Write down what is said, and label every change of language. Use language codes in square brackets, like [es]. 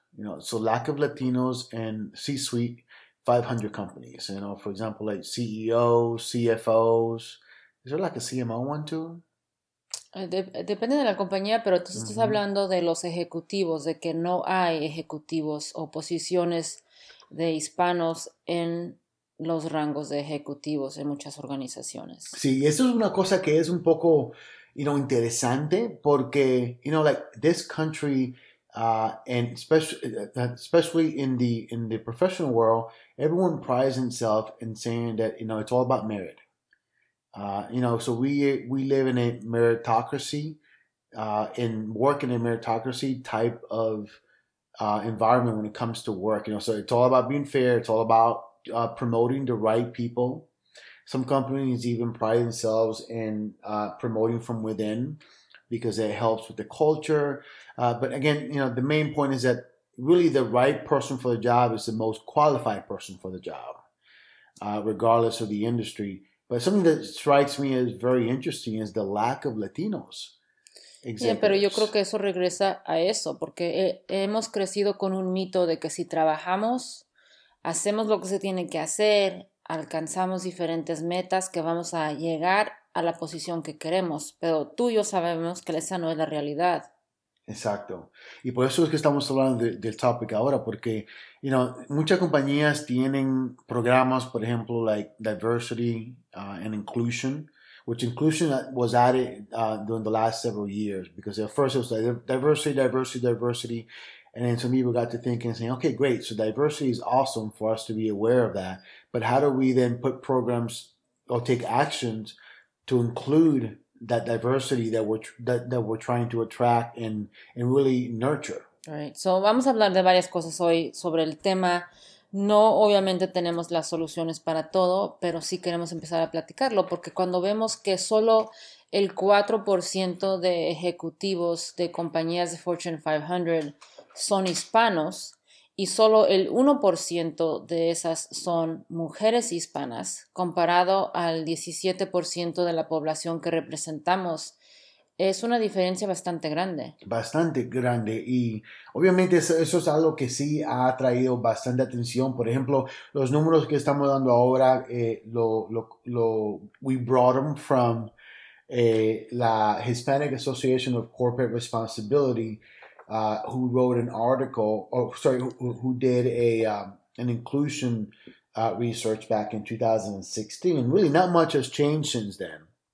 [en] You know, so lack of Latinos and C-suite 500 companies, you know, for example, like CEOs, CFOs. Is there like a CMO one too? [es] Depende de la compañía, pero tú estás hablando de los ejecutivos, de que no hay ejecutivos o posiciones de hispanos en los rangos de ejecutivos en muchas organizaciones. Sí, eso es una cosa que es un poco, [en] you know, [es] interesante porque, [en] you know, like this country, and especially in the professional world, everyone prides himself in saying that, you know, it's all about merit. You know, so we live in a meritocracy, and work in a meritocracy type of environment when it comes to work. You know, so it's all about being fair. It's all about promoting the right people. Some companies even pride themselves in promoting from within, because it helps with the culture. But again, you know, the main point is that really the right person for the job is the most qualified person for the job, regardless of the industry. But something that strikes me as very interesting is the lack of Latinos. Exactly. Yeah, [es] pero yo creo que eso regresa a eso, porque hemos crecido con un mito de que si trabajamos, hacemos lo que se tiene que hacer, alcanzamos diferentes metas que vamos a llegar a la posición que queremos, pero tú y yo sabemos que esa no es la realidad. Exacto. Y por eso es que estamos hablando del [en] topic [es] ahora, porque, [en] you know, [es] muchas compañías tienen programas, por ejemplo, [en] like diversity and inclusion, which inclusion was added during the last several years, because at first it was like diversity, diversity, diversity, and then some people got to thinking and saying, okay, great, so diversity is awesome for us to be aware of that, but how do we then put programs or take actions to include that diversity that we're trying to attract and really nurture. All right. So [es] vamos a hablar de varias cosas hoy sobre el tema. No obviamente tenemos las soluciones para todo, pero sí queremos empezar a platicarlo, porque cuando vemos que solo el 4% de ejecutivos de compañías de Fortune 500 son hispanos y solo el 1% de esas son mujeres hispanas, comparado al 17% de la población que representamos, es una diferencia bastante grande. Bastante grande. Y obviamente eso es algo que sí ha atraído bastante atención. Por ejemplo, los números que estamos dando ahora, [en] we brought them from la Hispanic Association of Corporate Responsibility, who wrote an article, who did an inclusion research back in 2016. And really not much has changed since then.